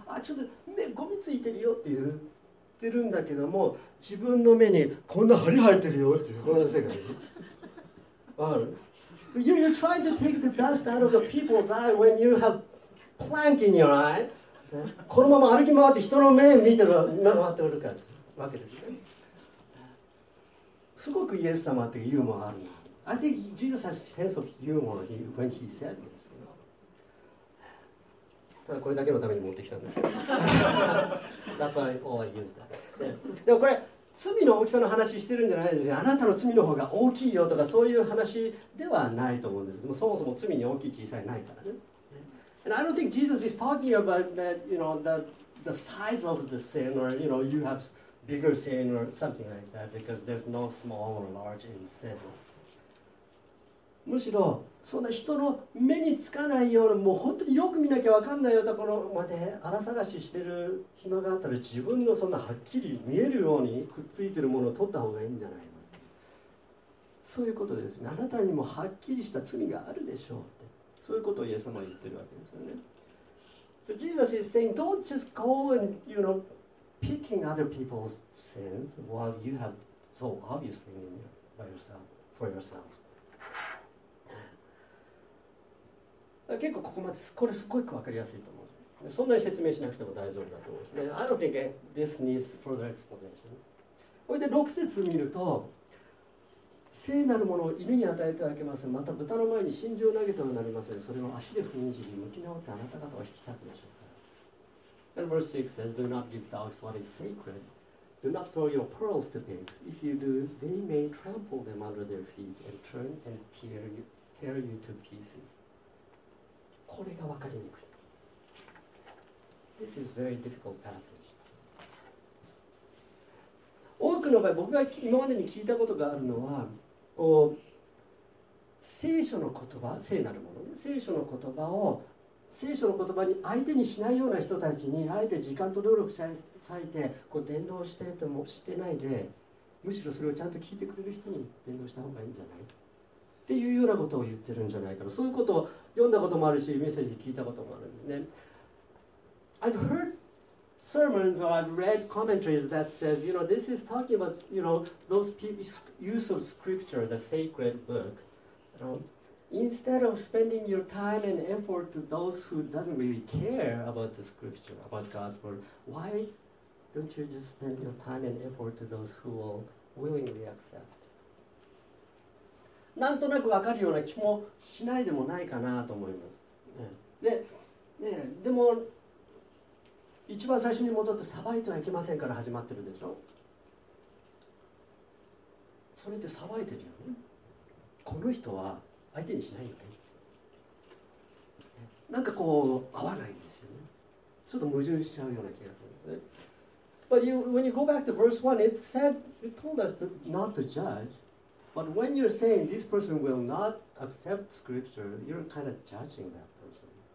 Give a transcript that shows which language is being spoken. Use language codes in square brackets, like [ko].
[ja] あ、ちょっと目ゴミついてるよって言ってるんだけども、自分の目にこんな針入ってるよっていう、こんな世界わかる？ [en] You're trying to take the dust out of the people's eye when you have plank in your eye. [ja] このまま歩き回って人の目見てる、目回ってるかわけですね。すごくイエス様ってユーモアあるな。 [en] I think Jesus has a sense of humor when he said this. [ja] ただこれだけのために持ってきたんです。 [en] That's why all I use that. [ja] でもこれ罪の大きさの話してるんじゃないですか。あなたの罪の方が大きいよとかそういう話ではないと思うんです。でもそもそも罪に大きい小さいないからね。 [en] And I don't think Jesus is talking about that, you know, the size of the sin or you know you have bigger sin or something like that because there's no small or large in sin. [ja] むしろそんな人の目につかないような、もう本当によく見なきゃ分かんないようなところまで荒探ししてる暇があったら、自分のそんなはっきり見えるようにくっついてるものを取った方がいいんじゃないの。そういうことですね。あなたにもはっきりした罪があるでしょうって、そういうことをイエス様は言ってるわけですよね。 [en] So Jesus is saying don't just go and you know picking other people's sins while you have so obviously in your, by yourself, for yourself. [ja] 結構ここまでこれすごく分かりやすいと思う。そんなに説明しなくても大丈夫だと思うんですね。 [en] I don't think this needs further explanation. [ja] これで6節見ると、聖なるものを犬に与えてはいけません。また豚の前に真珠を投げてはなりません。それを足で踏みにじり、向き直ってあなた方を引き裂くでしょうか。 [en] And verse 6 says, Do not give dogs what is sacred. Do not throw your pearls to pigs. If you do, they may trample them under their feet and turn and tear you to pieces. [ja] これが分かりにくい。 [en] This is very difficult passage. [ja] 多くの場合、僕が今までに聞いたことがあるのは、こう聖書の言葉、聖なるもの、聖書の言葉を聖書の言葉に相手にしないような人たちに、あえて時間と努力を割いてこう伝道してともしてないで、むしろそれをちゃんと聞いてくれる人に伝道した方がいいんじゃない。っていうようなことを言ってるんじゃないかな。そういうことを読んだこともあるし、メッセージで聞いたこともあるんですね。 [en] I've heard sermons or I've read commentaries that says, you know, this is talking about, you know, those people's use of scripture, the sacred book. You know, instead of spending your time and effort to those who doesn't really care about the scripture, about God's word, why don't you just spend your time and effort to those who will willingly accept? [ja] なんとなく分かるような気もしないでもないかなと思います。ね、で、ね、でも一番最初に戻って裁いてはいけませんから始まってるでしょ。それって裁いてるよね。この人は相手にしないよね。なんかこう合わないんですよね。ちょっと矛盾しちゃうような気がするんですね。 [en] But you, when you go back to verse 1, it said, it told us to, not to judge. But when you're saying this person will not accept scripture, you're kind of judging that person.